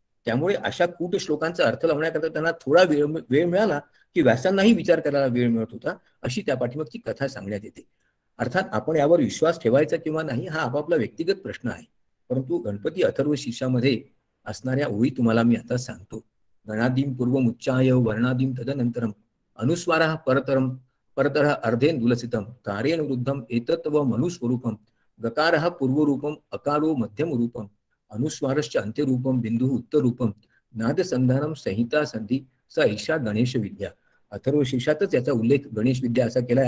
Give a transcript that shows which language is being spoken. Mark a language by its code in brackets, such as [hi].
[mr] त्यामुळे अशा कूट श्लोकांचा अर्थ लावण्याकरता त्यांना थोडा वेळ मिळाला की व्यासांनाही विचार करायला वेळ मिळत होता अशी त्या पाठीमागची कथा सांगण्यात येते. अर्थात आपण यावर विश्वास ठेवायचा किंवा नाही हा आपापला व्यक्तिगत प्रश्न आहे. परंतु गणपती अथर्वशीर्षामध्ये असणाऱ्या ओळी तुम्हाला मी आता सांगतो. [sa] गणादिम पूर्व मुच्चाय वर्णादिम तदनंतरम अनुस्वार परतरम परतर अर्धेन दुलसितम तारेन वृद्धम एतत्व मनुस्वरूपम गकार पूर्वरूपम अकारो मध्यम रूपम अनुस्वारश्च अंत्यरूपम बिंदु उत्तर रूपम नाद संधानम संहिता संधि स ईशा गणेश विद्या. [mr] अथर्वशीर्षातच याचा उल्लेख गणेश विद्या असा केलाय.